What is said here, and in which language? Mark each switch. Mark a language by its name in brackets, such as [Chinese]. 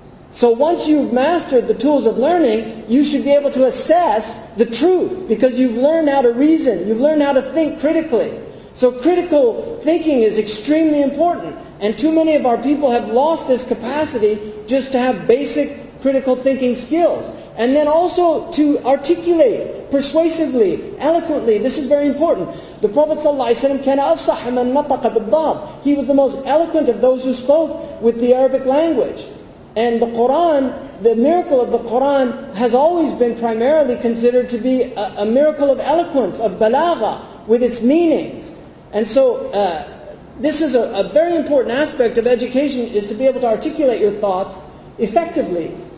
[English] So once you've mastered the tools of learning, you should be able to assess the truth because you've learned how to reason, you've learned how to think critically. So critical thinking is extremely important. And too many of our people have lost this capacity just to have basic critical thinking skills. And then also to articulate persuasively, eloquently. This is very important. The Prophet [Arabic] ﷺ كان أفصح من نطق بالضاد. [English] He was the most eloquent of those who spoke with the Arabic language. And the Qur'an, the miracle of the Qur'an has always been primarily considered to be a miracle of eloquence, of balagha, with its meanings. And so this is a very important aspect of education, is to be able to articulate your thoughts effectively.